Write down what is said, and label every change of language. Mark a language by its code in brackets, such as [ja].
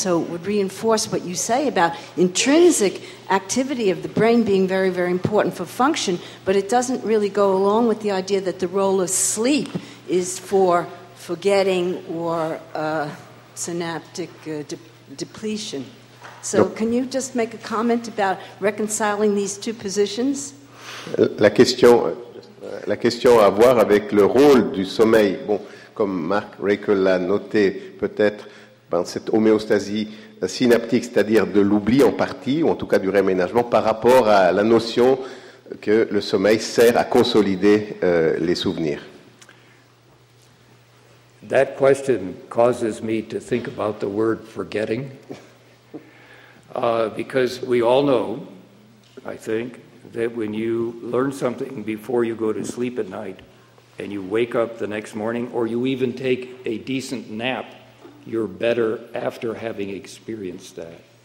[en] So it would reinforce what you say about intrinsic activity of the brain being very, very important for function, but it doesn't really go along with the idea that the role of sleep is for forgetting or synaptic depletion. So can you just make a comment about reconciling these two positions? [fr] La question à voir avec le rôle du sommeil. Bon, comme Mark Raker l'a noté, peut-être ben, cette homéostasie synaptique, c'est-à-dire de l'oubli en partie, ou en tout cas du réaménagement, par rapport à la notion que le sommeil sert à consolider les souvenirs. [en] That question causes me to think about the word forgetting. Because we all know, I think, that when you learn something before you go to sleep at night and you wake up the next morning or you even take a decent nap, you're better after having experienced that.